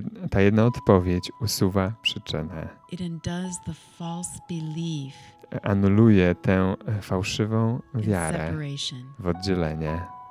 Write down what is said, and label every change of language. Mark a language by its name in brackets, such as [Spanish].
[Polish] Ta jedna odpowiedź usuwa przyczynę. [English] It undoes the false belief. [Polish] Anuluje tę fałszywą wiarę w oddzielenie.